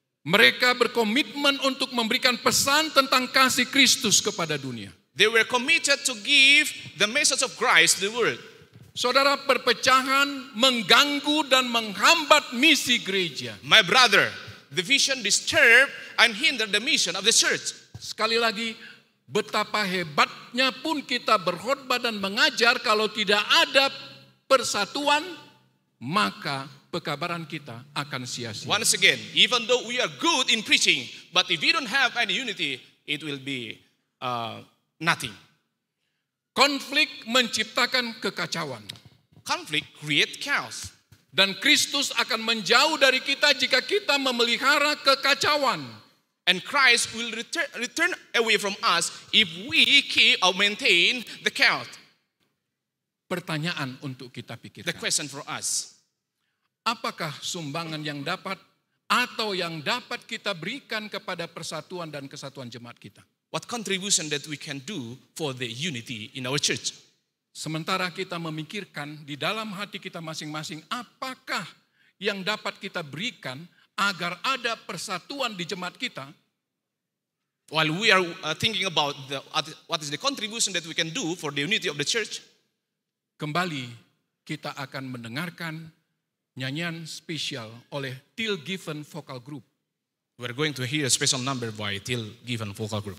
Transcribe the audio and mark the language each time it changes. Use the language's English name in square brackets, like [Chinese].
[Indonesian] Mereka berkomitmen untuk memberikan pesan tentang kasih Kristus kepada dunia. [English] They were committed to give the message of Christ to the world. [Indonesian] Saudara, perpecahan mengganggu dan menghambat misi gereja. [English] My brother, division disturb and hinder the mission of the church. [Indonesian] Sekali lagi, betapa hebatnya pun kita berkhotbah dan mengajar, kalau tidak ada persatuan, maka pekabaran kita akan sia-sia. [English] Once again, even though we are good in preaching, but if we don't have any unity, it will be nothing. [Indonesian] Konflik menciptakan kekacauan. [English] Conflict create chaos. [Indonesian] Dan Kristus akan menjauh dari kita jika kita memelihara kekacauan. [English] And Christ will return away from us if we keep or maintain the chaos. [Indonesian] Pertanyaan untuk kita pikirkan. [English] The question for us. [Indonesian] Apakah sumbangan yang dapat atau yang dapat kita berikan kepada persatuan dan kesatuan jemaat kita? [English] What contribution that we can do for the unity in our church? [Indonesian] Sementara kita memikirkan di dalam hati kita masing-masing, apakah yang dapat kita berikan agar ada persatuan di jemaat kita? [English] While we are thinking about what is the contribution that we can do for the unity of the church, [Indonesian] kembali kita akan mendengarkan nyanyian spesial oleh Till Given Vocal Group. [English] We're going to hear a special number by Till Given Vocal Group.